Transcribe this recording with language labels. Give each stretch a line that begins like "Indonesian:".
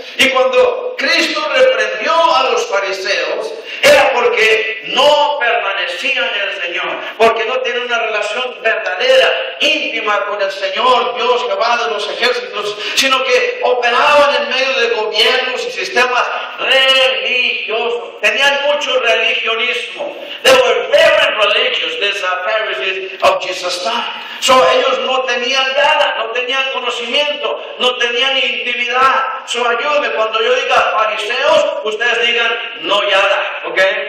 Spanish: Y cuando Cristo reprendió a los fariseos, era porque no permanecían en el Señor, porque no tienen una relación verdadera, íntima con el Señor, Dios que va de los ejércitos, sino que operaban en medio de gobiernos y sistemas religiosos. Tenían mucho religionismo.
English: They were very religious, these Pharisees of Jesus' time.
Spanish: So ellos no tenían nada, no tenían conocimiento, no tenían intimidad. So ayúdeme, cuando yo diga fariseos, ustedes digan no yada, ¿ok?